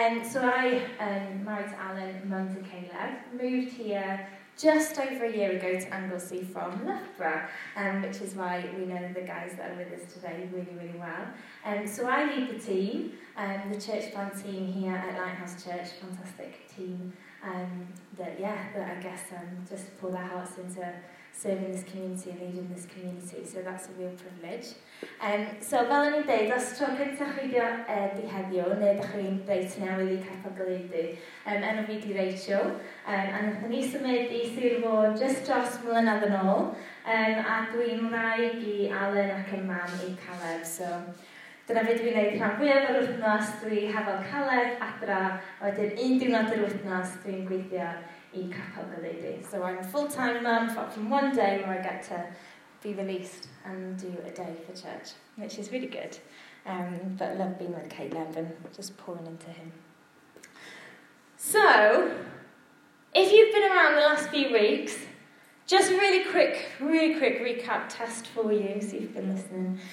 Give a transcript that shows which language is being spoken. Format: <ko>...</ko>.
<en>So I married Alan, mum to Caleb, moved here just over a year ago to Anglesey from Loughborough, which is why we know the guys that are with us today really, really well. So I lead the team, the church plant team here at Lighthouse Church, fantastic team, that I guess just pour their hearts into serving this community, leading this community, so that's a real privilege.</en> <cy>So fel o'n i'n deud, os tro cyntaf chi ddio di heddiw, neu ddech chi'n deud ti newydd i Capel Galady, enw fi di Rachel, a nath ni symud i Sir Fôn just dros mlynedd yn ôl, a dwi'n wraig i Alan ac yn mam i Caleb, so dyna fe dwi'n gwneud rhan fwyaf o'r wythnos, dwi hefo Caleb adra, wedyn un diwrnod o'r wythnos dwi'n gweithio I Capel Galady.</cy> <en>So I'm a full-time mum from one day where I get to be released and do a day for church, which is really good. But I love being with Caleb and just pouring into him. So, if you've been around the last few weeks, just really quick recap test for you, so you've been listening.</en>